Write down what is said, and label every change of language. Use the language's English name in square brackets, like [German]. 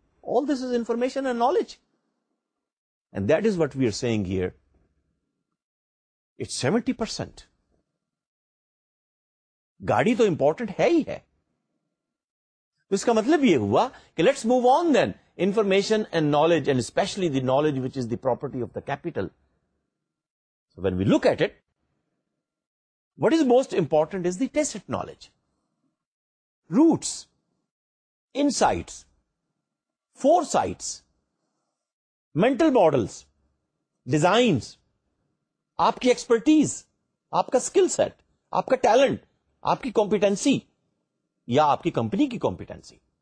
[English] All this is information and knowledge, and that is what we are seeing here. It's 70%. [Urdu] گاڑی تو important ہے ہی ہے, تو اس کا مطلب یہ ہوا کہ [English] Let's move on then. Information and knowledge and especially the knowledge which is the property of the capital. So when we look at it, what is most important is the tacit knowledge, roots, insights, foresights, mental models, designs, [Urdu] آپ کی expertise, آپ کا skill set, آپ کا talent, آپ کی competency [English] یا آپ کی کمپنی کی کمپیٹنسی.